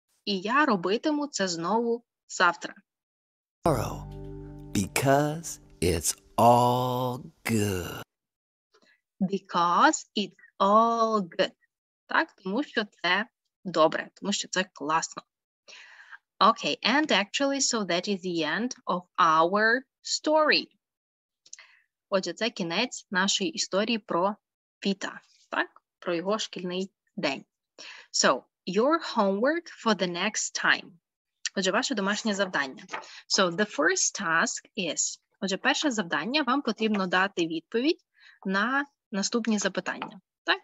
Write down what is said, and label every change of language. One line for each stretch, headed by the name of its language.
Ukrainian: І я робитиму це знову завтра.
English: Tomorrow. Because it's all good. Because it's all good.
Ukrainian: Так, тому що це добре, тому що це класно.
English: Okay, and actually, so that is the end of our story.
Ukrainian: Отже, це кінець нашої історії про Піта, так? Про його шкільний день.
English: So, your homework for the next time.
Ukrainian: Отже, ваше домашнє завдання.
English: So, the first task is.
Ukrainian: Отже, перше завдання, вам потрібно дати відповідь на наступні запитання. Так?